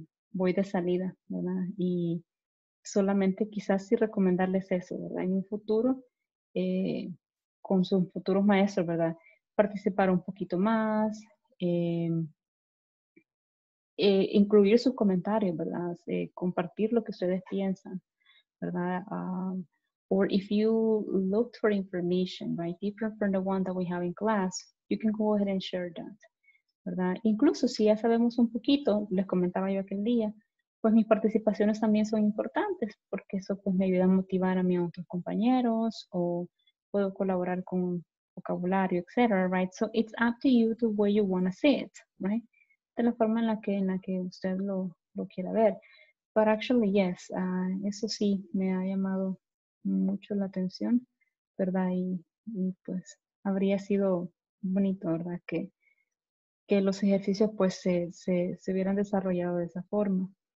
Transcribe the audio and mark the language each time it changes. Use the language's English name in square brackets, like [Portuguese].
[Spanish] Voy de salida, ¿verdad? Y solamente quizás sí recomendarles eso, ¿verdad? En un futuro, con sus futuros maestros, ¿verdad? Participar un poquito más, incluir sus comentarios, ¿verdad? Compartir lo que ustedes piensan, ¿verdad? [English] Or if you looked for information, right, different from the one that we have in class, you can go ahead and share that, ¿verdad? [Spanish] Incluso si ya sabemos un poquito, les comentaba yo aquel día, pues mis participaciones también son importantes porque eso pues me ayuda a motivar a mis otros compañeros o puedo colaborar con [English] vocabulario, etc., right? So it's up to you to where you want to see it, right? [Spanish] De la forma en la que usted lo quiera ver. [English] But actually, yes, [Spanish] eso sí me ha llamado mucho la atención, ¿verdad? Y pues habría sido bonito, ¿verdad? Que los ejercicios pues se hubieran desarrollado de esa forma.